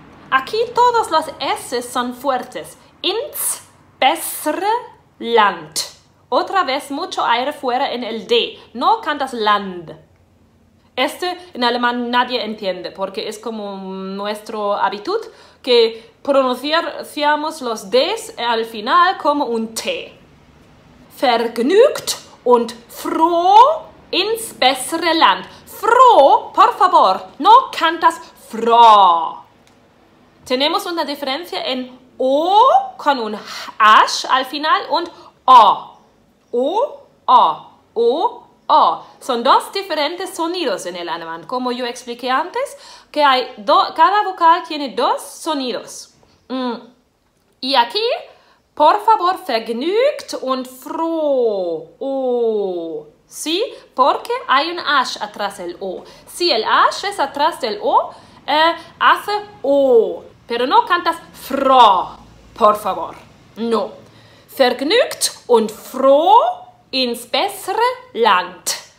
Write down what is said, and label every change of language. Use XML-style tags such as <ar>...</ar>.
<es>Aquí todas las S son fuertes.</es> <de>Ins bessere Land.</de> <es>Otra vez mucho aire fuera en el D. No cantas Land. Este en alemán nadie entiende porque es como nuestro habitud que pronunciamos los Ds al final como un T.</es> <de>Vergnügt und froh ins bessere Land.</de> <es>Froh, por favor, no cantas froh. Tenemos una diferencia en O con un H al final und O. O, O, O, O. Son dos diferentes sonidos en el alemán. Como yo expliqué antes, que hay cada vocal tiene dos sonidos. Y aquí... Por favor,</es> <de>vergnügt und froh.</de> <es>Oh. ¿Sí? Porque hay un H atrás del O. Si el H es atrás del O, hace O. Pero no cantas froh, por favor. No.</es> <de>Vergnügt und froh ins bessere Land.</de>